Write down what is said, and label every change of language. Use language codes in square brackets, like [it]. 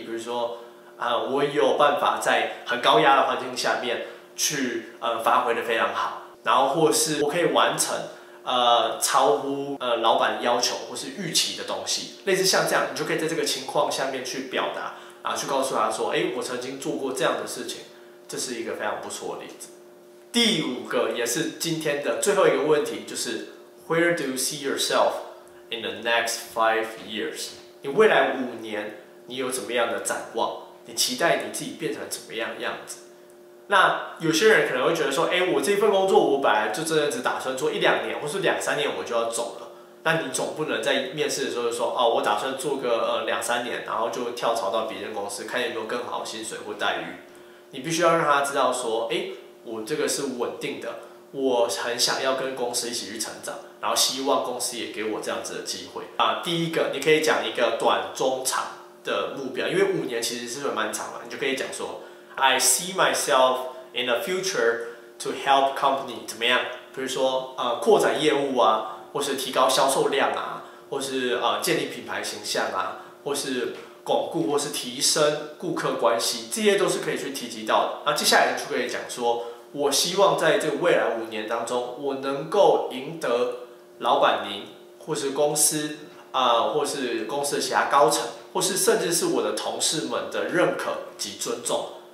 [zh] 比如说我有办法在很高压的环境下面去发挥的非常好，然后或是我可以完成超乎老板要求或是预期的东西，类似像这样，你就可以在这个情况下面去表达，然后去告诉他说，哎，我曾经做过这样的事情，这是一个非常不错的例子。第五个也是今天的最后一个问题，就是 [en] Where do you see yourself in the next 5 years？ [zh] 你未来5年你有怎么样的展望？你期待你自己变成怎么样的样子？那有些人可能会觉得说，哎，我这份工作我本来就真的只打算做1-2年，或是2-3年我就要走了。那你总不能在面试的时候就说，哦，我打算做个2-3年，然后就跳槽到别人公司，看有没有更好薪水或待遇。你必须要让他知道说，哎，我这个是稳定的，我很想要跟公司一起去成长，然后希望公司也给我这样子的机会。第一个，你可以讲一个短中长的目标，因为五年其实是蛮长的，你就可以讲说。 [en] I see myself in the future to help company [zh] 怎么样？比如说扩展业务啊，或是提高销售量啊，或是建立品牌形象啊，或是巩固或是提升顾客关系，这些都是可以去提及到的。那接下来就可以讲说，我希望在这个未来5年当中，我能够赢得老板您或是公司或是公司的其他高层，或是甚至是我的同事们的认可及尊重。